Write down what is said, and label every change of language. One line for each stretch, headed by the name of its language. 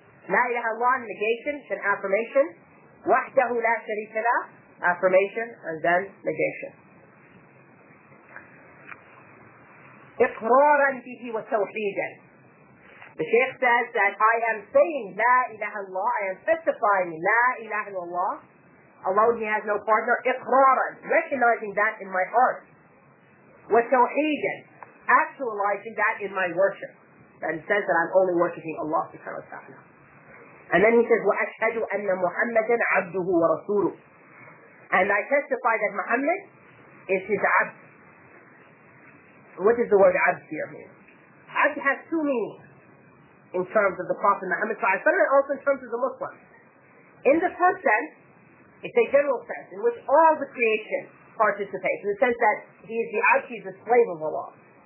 English: La ilaha illallah, negation, then affirmation. Wahdahu la sharika lah, affirmation, and then negation.
Arabic: إقرارا به وتوحيدا.
English: The Sheikh says that I am saying
Arabic: لا إله إلا الله.
English: I am specifying
Arabic: لا إله إلا الله.
English: Allah He has no partner. إقرارا, recognizing that in my heart. وتوحيدا, actualizing that in my worship. That he says that I'm only worshiping Allah subhanahu wa ta'ala. And then he says,
Arabic: وَأَشْهَدُ أَنَّ مُحَمَّدًا عَبْدُهُ وَرَسُولُهُ.
English: And I testify that Muhammad is his abd. What does the word abd here mean? Abd has two meanings in terms of the Prophet Muhammad tribe, but also in terms of the Muslims. In the first sense, it's a general sense in which all the creation participates, in the sense that he is the abd, he is the slave of Allah.